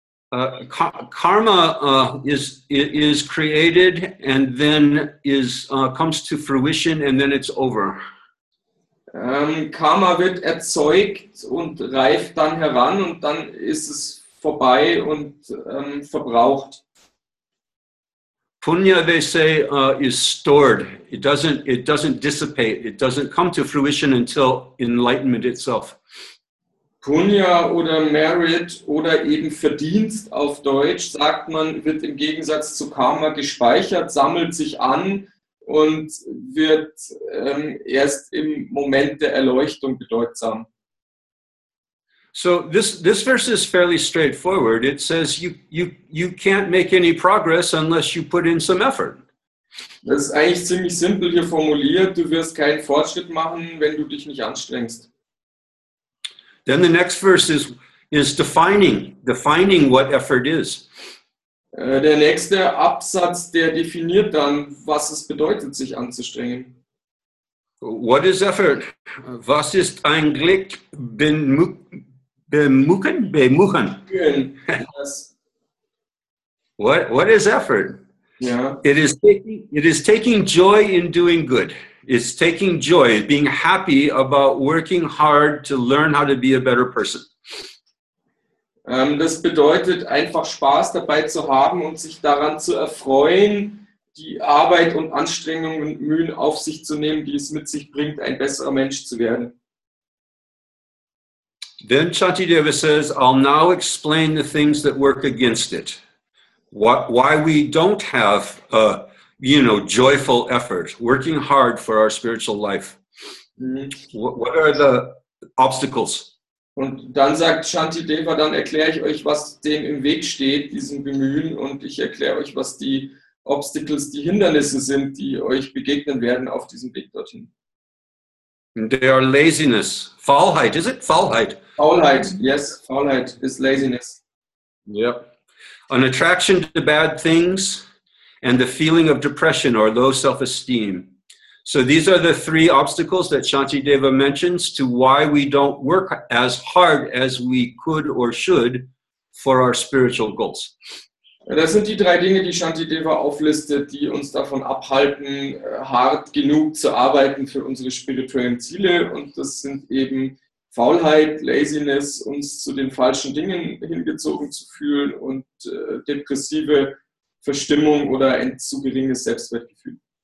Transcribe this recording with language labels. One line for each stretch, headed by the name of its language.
English: Karma is created and then comes to fruition and then it's over.
German: Karma wird erzeugt und reift dann heran und dann ist es vorbei und verbraucht.
English: Punya, they say, is stored. It doesn't dissipate. It doesn't come to fruition until enlightenment itself.
German: Punya oder Merit oder eben Verdienst auf Deutsch, sagt man, wird im Gegensatz zu Karma gespeichert, sammelt sich an und wird erst im Moment der Erleuchtung bedeutsam.
English: So this verse is fairly straightforward. It says you can't make any progress unless you put in some effort.
German: Das ist eigentlich ziemlich simpel hier formuliert. Du wirst keinen Fortschritt machen, wenn du dich nicht anstrengst.
English: Then the next verse is defining what effort is.
German: Der nächste Absatz, der definiert dann, was es bedeutet, sich anzustrengen.
English: What is effort?
German: Was ist ein Glück bemuchen? Bemuchen.
English: Yes. What is effort? Yeah. It is taking joy in doing good. It's taking joy, being happy about working hard to learn how to be a better person.
German: Das bedeutet einfach Spaß dabei zu haben und sich daran zu erfreuen, die Arbeit und Anstrengungen und Mühen auf sich zu nehmen, die es mit sich bringt, ein besserer Mensch zu werden.
English: Then Shantideva says, I'll now explain the things that work against it. Why we don't have a joyful effort, working hard for our spiritual life. What are the obstacles?
German: Und dann sagt Shantideva, dann erkläre ich euch, was dem im Weg steht, diesem Bemühen, und ich erkläre euch, was die Obstacles, die Hindernisse sind, die euch begegnen werden auf diesem Weg dorthin.
English: They are laziness. Faulheit, is it? Faulheit. Faulheit, yes. Faulheit is laziness. Yep. An attraction to bad things. And the feeling of depression or low self-esteem. So these are the three obstacles that Shantideva mentions to why we don't work as hard as we could or should for our spiritual goals.
German: Das sind die drei Dinge, die Shantideva auflistet, die uns davon abhalten, hart genug zu arbeiten für unsere spirituellen Ziele. Und das sind eben Faulheit, Laziness, uns zu den falschen Dingen hingezogen zu fühlen und depressive Verstimmung oder ein zu geringes Selbstwertgefühl.